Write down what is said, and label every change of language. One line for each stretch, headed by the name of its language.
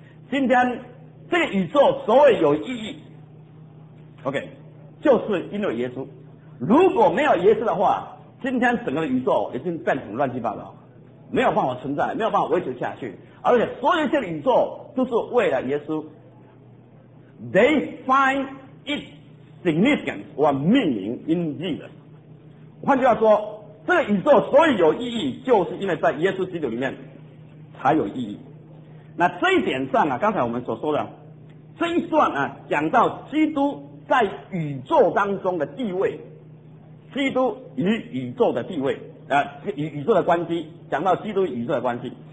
Chinese: 今天这个宇宙所谓有意义 OK， 就是因为耶稣。如果没有耶稣的话，今天整个宇宙已经变成乱七八糟，没有办法存在，没有办法维持下去。而且所有这些宇宙都是为了耶稣。
English: They find its significance or meaning in Jesus。
Chinese: 换句话说，这个宇宙所以有意义，就是因为在耶稣基督里面才有意义。那这一点上啊，刚才我们所说的这一段啊，讲到基督在宇宙当中的地位，基督与宇宙的地位，与宇宙的关系，讲到基督与宇宙的关系。